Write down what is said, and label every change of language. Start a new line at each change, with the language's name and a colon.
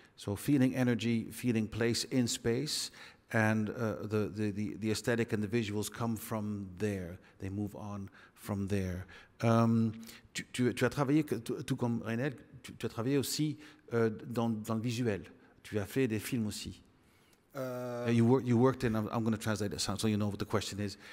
English: So feeling energy, feeling place in space, and the aesthetic and the visuals come from there. They move on from there.
French: Tu as travaillé tout comme Reinel, tu as travaillé aussi dans le visuel. Tu as fait des films aussi.
English: You worked in. I'm going to translate it so you know what the question is.